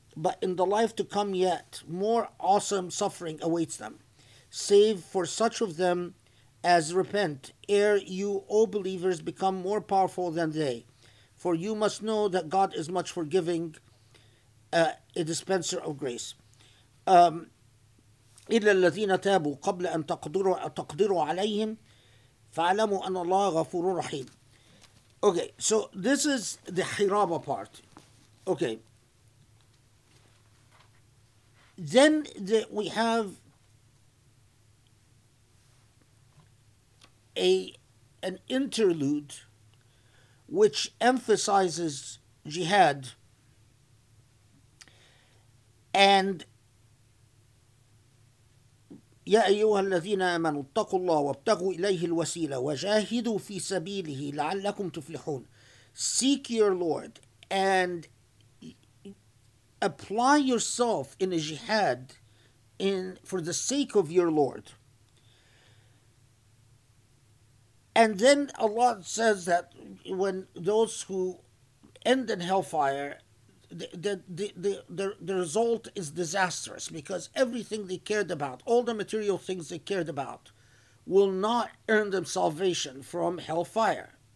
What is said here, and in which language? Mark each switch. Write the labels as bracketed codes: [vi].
[en] But in the life to come yet, more awesome suffering awaits them, save for such of them as repent, ere you, O believers, become more powerful than they. For you must know that God is much forgiving, a dispenser of grace. [ar] إلا الذين تابوا قبل أن تقدروا عليهم فعلموا أن الله غفور رحيم. [en] Okay, so this is the Hiraba part. Okay. Then we have an interlude which emphasizes jihad and [ar] يا أيها الذين آمنوا اتقوا الله وابتغوا إليه الوسيلة وجاهدوا في سبيله لعلكم تفلحون. [en] Seek your Lord and apply yourself in a jihad for the sake of your Lord. And then Allah says that when those who end in hellfire, the result is disastrous, because everything they cared about, all the material things they cared about, will not earn them salvation from hellfire.